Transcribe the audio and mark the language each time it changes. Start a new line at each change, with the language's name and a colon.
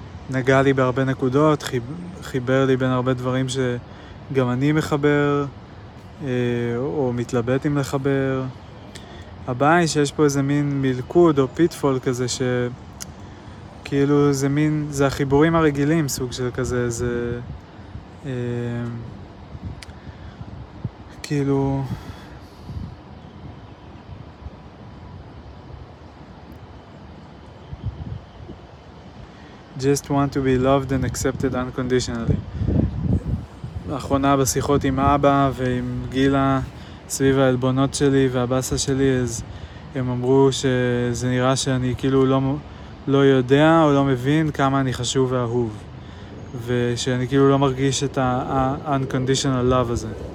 Hebrew: נגע לי בהרבה נקודות, חיבר לי בין הרבה דברים שגם אני מחבר, או מתלבט עם לחבר. הבעיה היא שיש פה איזה מין מלכוד או פיטפול כזה ש... כאילו זה מין... זה החיבורים הרגילים, סוג של כזה, זה...
English: כאילו, just want to be loved and accepted unconditionally.
Hebrew: לאחרונה בשיחות עם אבא ועם גילה סביב האלבונות שלי והבאסה שלי, אז הם אמרו שזה נראה שאני כאילו לא יודע או לא מבין כמה אני חשוב ואהוב, ושאני כאילו לא מרגיש את ה-
English: unconditional love
Hebrew: הזה.